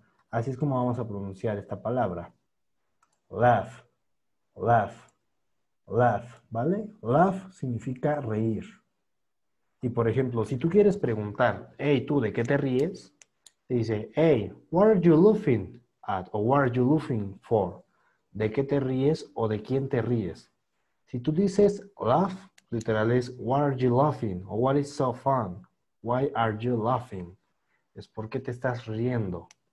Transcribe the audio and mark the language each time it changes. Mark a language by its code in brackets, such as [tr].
[es] Así es como vamos a pronunciar esta palabra. Laugh, laugh, laugh, ¿vale? Laugh significa reír. Y, por ejemplo, si tú quieres preguntar, hey, ¿tú de qué te ríes? Te dice, [en] hey, what are you laughing at? O what are you laughing for? [es] ¿De qué te ríes o de quién te ríes? Si tú dices laugh, literal es, [en] what are you laughing? O what is so fun? Why are you laughing? [es] Es porque te estás riendo.